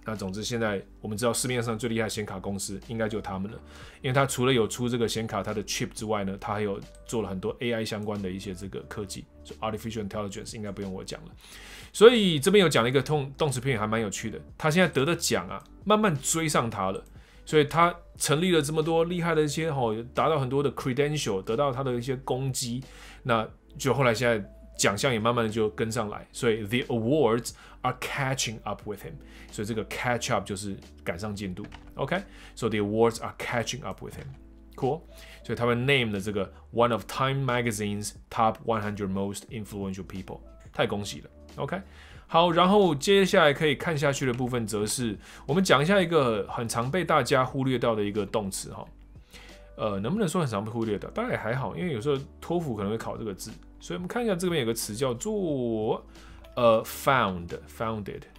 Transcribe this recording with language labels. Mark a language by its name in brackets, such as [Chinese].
[Chinese] 那总之现在我们知道市面上最厉害的显卡公司应该就他们了，因为他除了有出这个显卡他的 chip 之外呢，他还有做了很多 AI 相关的一些这个科技，就 artificial intelligence 应该不用我讲了。所以这边有讲了一个动词片语，还蛮有趣的。他现在得的奖啊，慢慢追上他了。所以他成立了这么多厉害的一些吼，达到很多的 credential， 得到他的一些功绩，那就后来现在奖项也慢慢的就跟上来。所以 [English] the awards are catching up with him。所以这个 catch up 就是赶上进度。 OK， so the awards are catching up with him。 Cool， [Chinese] 所以他们 [English] name [Chinese] 的这个 [English] one of Time Magazine's top 100 most influential people， [Chinese] 太恭喜了。 OK， 好，然后接下来可以看下去的部分，则是我们讲一下一个很常被大家忽略掉的一个动词哈。能不能说很常被忽略掉？大概还好，因为有时候托福可能会考这个字，所以我们看一下这边有个词叫做founded。